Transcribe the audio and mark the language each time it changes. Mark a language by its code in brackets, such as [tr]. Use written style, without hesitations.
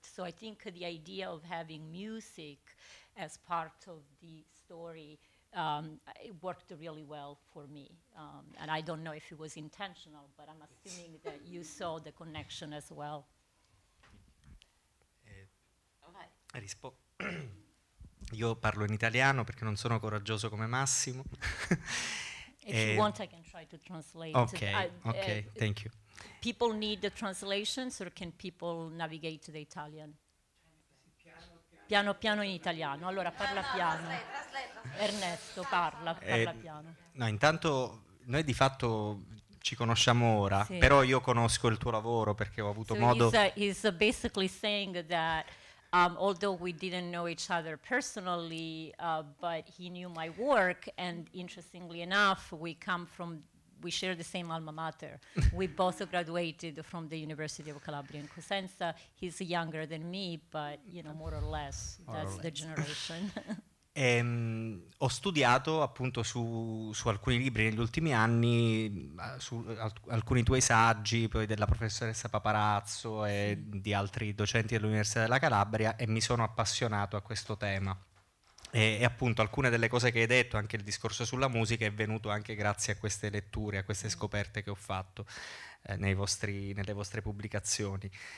[en] So I think the idea of having music as part of the story, it worked really well for me. And I don't know if it was intentional, but I'm assuming that you saw the connection as well. [it] Io parlo in italiano perché non sono coraggioso come Massimo. [en] If you want, I can try to translate. Okay, thank you. People need the translations, or can people navigate the Italian? [it] Piano piano in italiano. Allora parla piano. Ernesto, parla piano. No, intanto noi di fatto ci conosciamo ora, sì. Però io conosco il tuo lavoro perché ho avuto modo. [en] He's basically saying that although we didn't know each other personally, but he knew my work, and interestingly enough, we share the same alma mater. We both graduated from the University of Calabria in Cosenza. He's younger than me, but you know, more or less, the generation. [it] Ho studiato appunto su alcuni libri negli ultimi anni, su alcuni tuoi saggi, poi della professoressa Paparazzo e di altri docenti dell'Università della Calabria, e mi sono appassionato a questo tema. E appunto alcune delle cose che hai detto, anche il discorso sulla musica, è venuto anche grazie a queste letture, a queste scoperte che ho fatto nelle vostre pubblicazioni.